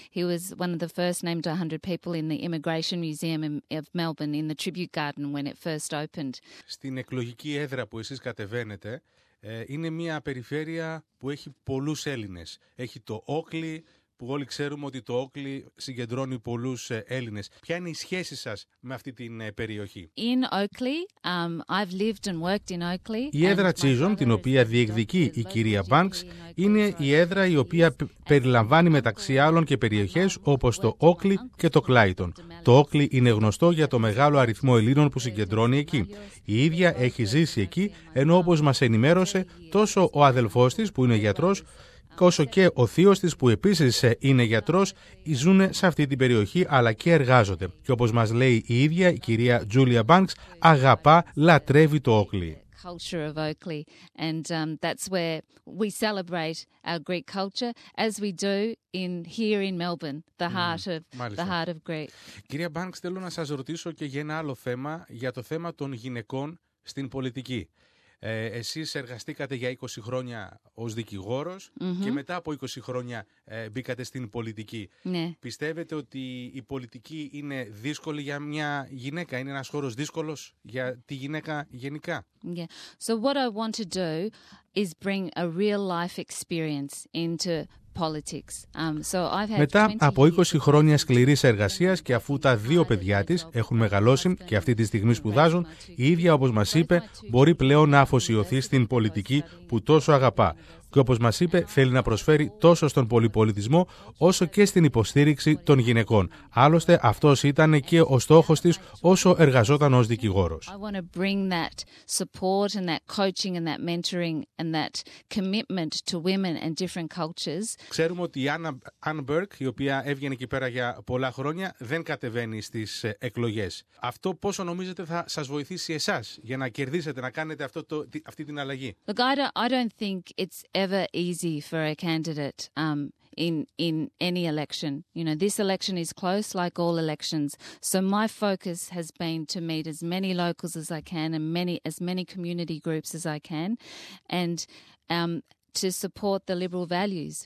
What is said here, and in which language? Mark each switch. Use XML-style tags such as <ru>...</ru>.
<en>He was one of the first named 100 people in the Immigration Museum of Melbourne in the Tribute Garden when it first opened.</en> <el>Στην εκλογική έδρα που εσείς κατεβαίνετε, είναι μια περιφέρεια που έχει πολλούς Έλληνες. Έχει το Oakley, που όλοι ξέρουμε ότι το Oakley συγκεντρώνει πολλούς Έλληνες. Ποια είναι η σχέση σας με αυτή την περιοχή?</el> <en>In Oakley, I've lived and worked in Oakley.</en> <el>Η έδρα Chisholm, την οποία διεκδικεί η κυρία Banks, είναι η έδρα η οποία περιλαμβάνει μεταξύ άλλων και περιοχές όπως το Oakley και το Clayton. Το Oakley είναι γνωστό για το μεγάλο αριθμό Ελλήνων που συγκεντρώνει εκεί. Η ίδια έχει ζήσει εκεί, ενώ όπως μας ενημέρωσε, τόσο ο αδελφός της, που είναι γιατρός, όσο και ο θείος της που επίσης είναι γιατρός, ζουν σε αυτή την περιοχή αλλά και εργάζονται. Και όπως μας λέει η ίδια, η κυρία Julia Banks αγαπά, λατρεύει το Oakley.</el> <en>Culture of Oakley, and that's where we celebrate our Greek culture, as we do in here in Melbourne, the heart of Greek.</en> <el>Κυρία Banks, θέλω να σας ρωτήσω και για ένα άλλο θέμα, για το θέμα των γυναικών στην πολιτική. Εσείς εργαστήκατε για 20 χρόνια ως δικηγόρος, mm-hmm. και μετά από 20 χρόνια μπήκατε στην πολιτική. Ναι. Πιστεύετε ότι η πολιτική είναι δύσκολη για μια γυναίκα, είναι ένας χώρος δύσκολος για τη γυναίκα γενικά?</el> <en>Yeah. So what I want to do is bring a real life experience into politics. So I've had</en> <el>Μετά από 20 χρόνια σκληρής εργασίας και αφού τα δύο παιδιά της έχουν μεγαλώσει και αυτή τη στιγμή σπουδάζουν, η ίδια, όπως μας είπε, μπορεί πλέον να αφοσιωθεί στην πολιτική που τόσο αγαπά. Και όπως μας είπε, θέλει να προσφέρει τόσο στον πολυπολιτισμό όσο και στην υποστήριξη των γυναικών. Άλλωστε, αυτός ήταν και ο στόχος της όσο εργαζόταν ως δικηγόρος.</el> <en>I want to bring that support and that coaching and that mentoring and that commitment to women and different cultures.</en> <el>Ξέρουμε ότι η Anne Burke, η οποία έβγαινε εκεί πέρα για πολλά χρόνια, δεν κατεβαίνει στις εκλογές. Αυτό πόσο νομίζετε θα σας βοηθήσει εσάς για να κερδίσετε, να κάνετε αυτή την αλλαγή?</el> <en>Look, I don't think it's ever easy for a candidate in any election. You know, this election is close, like all elections. So my focus has been to meet as many locals as I can and as many community groups as I can, and to support the liberal values.</en>